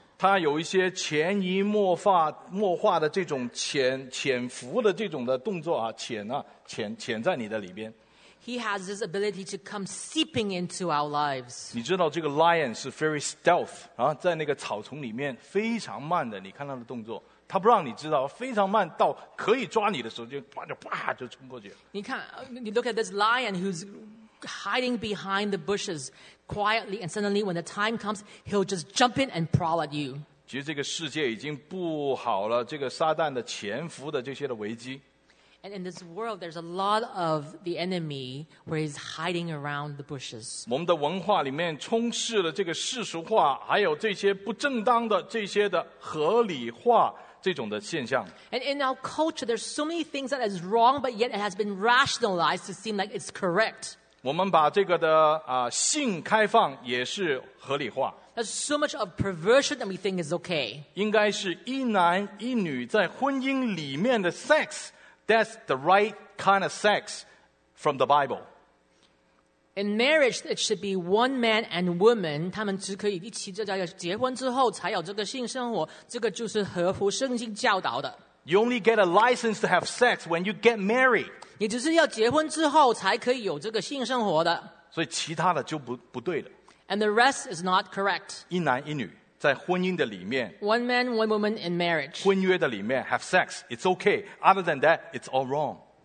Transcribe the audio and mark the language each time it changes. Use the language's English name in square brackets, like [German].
[Chinese] 他有一些潜移默化的这种潜伏的这种的动作啊，潜在你的里边。 [English] He has this ability to come seeping into our lives. [Chinese] 你知道这个 lion 是 [English] very stealth [Chinese] 啊，在那个草丛里面非常慢的，你看他的动作。他不让你知道，非常慢，到可以抓你的时候，就冲过去。你看 [English] ，you look at this lion who's hiding behind the bushes quietly, and suddenly when the time comes, he'll just jump in and prowl at you. [Chinese] 其实这个世界已经布好了这个撒旦的潜伏的这些的危机。 [English] And in this world, there's a lot of the enemy where he's hiding around the bushes. [Chinese] 我们的文化里面充斥了这个世俗化，还有这些不正当的这些的合理化。这种的现象。 [English] And in our culture, there's so many things that is wrong, but yet it has been rationalized to seem like it's correct. [Chinese] 我们把这个的性开放也是合理化。 [English] There's so much of perversion that we think is okay. [Chinese] 应该是一男一女在婚姻里面的 [English] sex, that's the right kind of sex from the Bible. In marriage, it should be one man and woman. [Chinese] 他们只可以一起在结婚之后才有这个性生活，这个就是合乎圣经教导的。 [English] You only get a license to have sex when you get married. [Chinese] 你只是要结婚之后才可以有这个性生活的。所以其他的就不对了。 [English] And the rest is not correct. [Chinese] 一男一女在婚姻的里面。 [English] One man, one woman in marriage. [Chinese] 婚约的里面 [English] have sex, it's okay. Other than that, it's all wrong.